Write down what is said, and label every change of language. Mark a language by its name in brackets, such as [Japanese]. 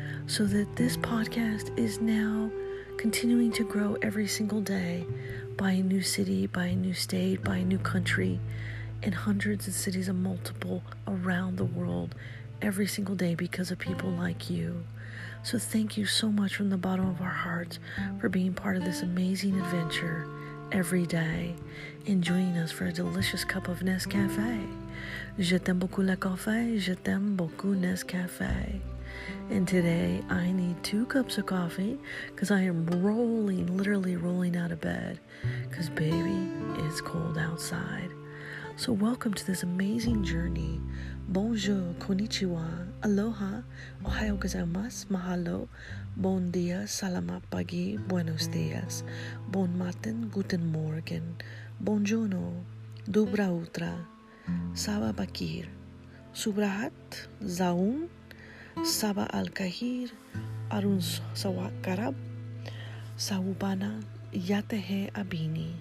[English] so that this podcast is now continuing to grow every single day by a new city, by a new state, by a new country, in hundreds of cities and multiple around the world every single day because of people like you. So thank you so much from the bottom of our hearts for being part of this amazing adventure every day and joining us for a delicious cup of Nescafe. [French] Je t'aime beaucoup le café, je t'aime beaucoup Nescafe. [English] And today I need two cups of coffee because I am literally rolling out of bed because baby, it's cold outside. So welcome to this amazing journey. Bonjour, konnichiwa, aloha, ohayou gozaimasu, mahalo, bon dia, salamat pagi, buenos dias, bon matin, guten morgen, bonjourno, dobra utra, saba bakir, subrahat, zaun, saba al-kahir, arun sawakarab, saubana, yatehe abini.